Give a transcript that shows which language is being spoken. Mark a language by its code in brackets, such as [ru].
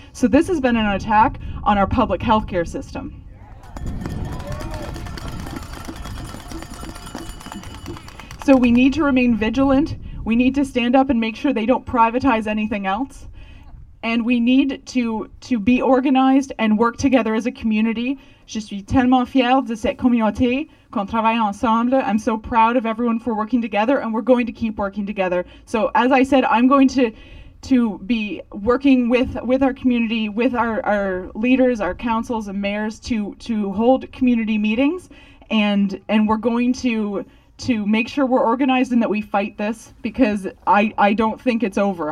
[en] So this has been an attack on our public healthcare system. So we need to remain vigilant. We need to stand up and make sure they don't privatize anything else. And we need to be organized and work together as a community. [fr] Je suis tellement fière de cette communauté qu'on travaille ensemble. [en] I'm so proud of everyone for working together, and we're going to keep working together. So as I said, I'm going to be working with our community, with our leaders, our councils and mayors to hold community meetings, and we're going to make sure we're organized and that we fight this, because I don't think it's over.